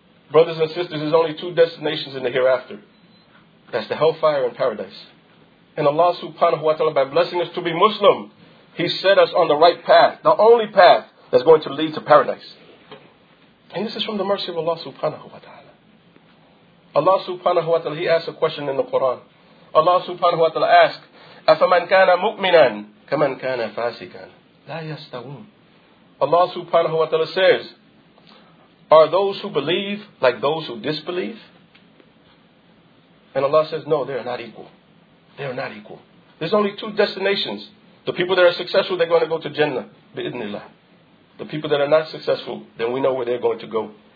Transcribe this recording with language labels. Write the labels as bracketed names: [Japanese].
[English] Brothers and sisters, there's only two destinations in the hereafter. That's the hellfire and paradise. And Allah subhanahu wa ta'ala, by blessing us to be Muslim, He set us on the right path, the only path that's going to lead to paradise. And this is from the mercy of Allah subhanahu wa ta'ala. Allah subhanahu wa ta'ala, He asks a question in the Quran. Allah subhanahu wa ta'ala asks, [Arabic] أَفَمَنْ كَانَ مُؤْمِنًا كَمَنْ كَانَ فَاسِكًا لَا يَسْتَوُونَ. [English] Allah subhanahu wa ta'ala says, are those who believe like those who disbelieve? And Allah says, no, they are not equal. They are not equal. There's only two destinations. The people that are successful, they're going to go to Jannah, bi-idhnillah. The people that are not successful, then we know where they're going to go.